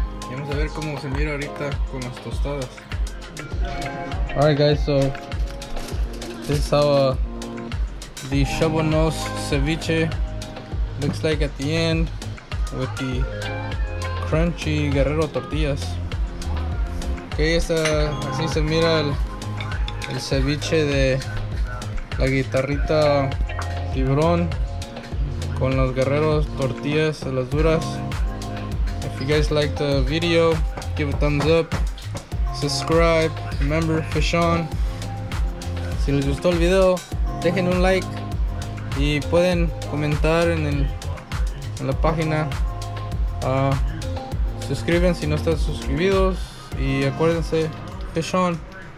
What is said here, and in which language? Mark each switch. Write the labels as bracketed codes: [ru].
[es] Y vamos a ver cómo se mira ahorita con las tostadas. [en] Alright guys, so this is how the shovel nose ceviche looks like at the end with the crunchy guerrero tortillas. [es] Okay, esta, así se mira el ceviche de la guitarrita tiburón con los guerreros tortillas a las duras. [en] If you guys like the video, give a thumbs up, subscribe, remember, fish on. [es] Si les gustó el video, dejen un like y pueden comentar en la página. Suscriben si no están suscribidos y acuérdense, [en] fish on.